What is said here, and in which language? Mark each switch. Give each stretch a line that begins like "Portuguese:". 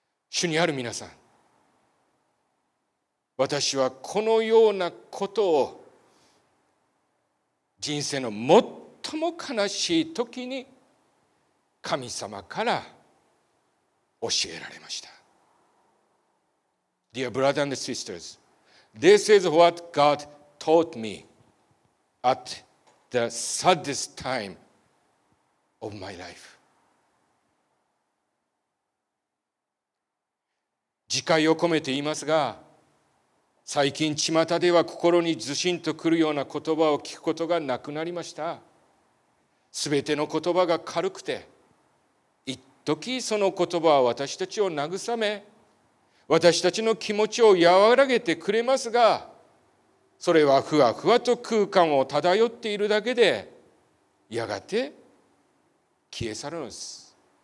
Japanese: 主にある皆さん、私はこのようなことを人生の最も悲しい時に神様から教えられました。
English: Dear brothers and sisters, this is what God taught me at the saddest time of my life.
Japanese: 自戒を込めていますが、最近巷では心にずしんとくるような言葉を聞くことがなくなりました。すべての言葉が軽くて、一時その言葉は私たちを慰め、私たちの気持ちを和らげてくれますが、それはふわふわと空間を漂っているだけで、やがて消え去るのです。